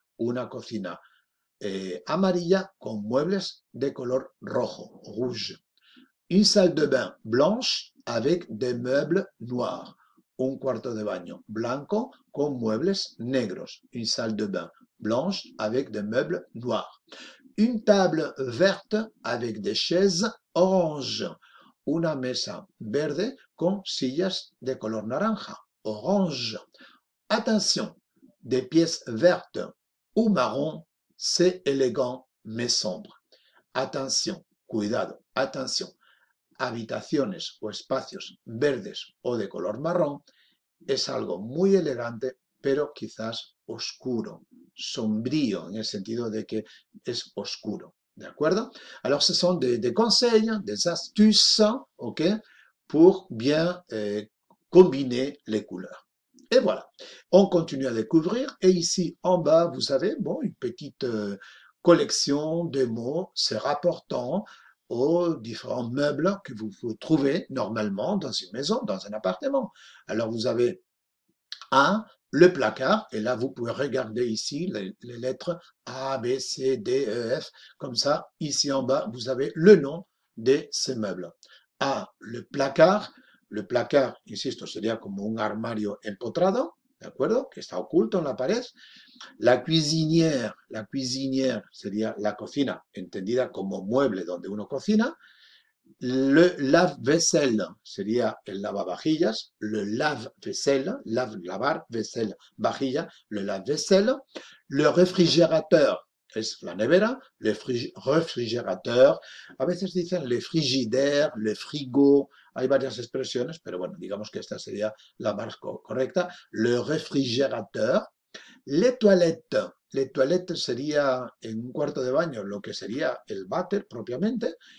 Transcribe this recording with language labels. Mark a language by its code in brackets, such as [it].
[es] Una cocina amarilla con muebles de color rojo, rouge. [fr] Une salle de bain blanche avec des meubles noirs. [es] Un cuarto de baño blanco con muebles negros. [fr] Une salle de bain blanche avec des meubles noirs. Une table verte avec des chaises orange. [es] Una mesa verde con sillas de color naranja. Orange. [fr] Attention, des pièces vertes ou marron, c'est élégant mais sombre. Attention, cuidado, attention. [es] Habitaciones o espacios verdes o de color marrón es algo muy elegante, pero quizás oscuro. Sombrío, en el sentido de que es oscuro. ¿De acuerdo? [fr] Alors, ce sont des conseils, des astuces, ok, pour bien combiner les couleurs. Et voilà. On continue à découvrir. Et ici, en bas, vous avez, bon, une petite collection de mots se rapportant aux différents meubles que vous trouvez normalement dans une maison, dans un appartement. Alors, vous avez un, le placard, et là, vous pouvez regarder ici les lettres A, B, C, D, E, F, comme ça, ici en bas, vous avez le nom de ces meubles. A, le placard. Le placard, [es] insisto, sería como un armario empotrado, ¿de acuerdo? Que está oculto en la pared. La cuisinière sería la cocina, entendida como mueble donde uno cocina. Le lave-vaisselle sería el lavavajillas. Le lave-vaisselle, lavar, vaisselle, vajilla, le lave-vaisselle. Le réfrigérateur es la nevera. Le réfrigérateur, a veces dicen le frigidaire, le frigo. Hay varias expresiones, pero bueno, digamos que esta sería la más correcta. [fr] Le réfrigérateur. Les toilettes. [es] Les toilettes sería en un cuarto de baño lo que sería el váter propiamente.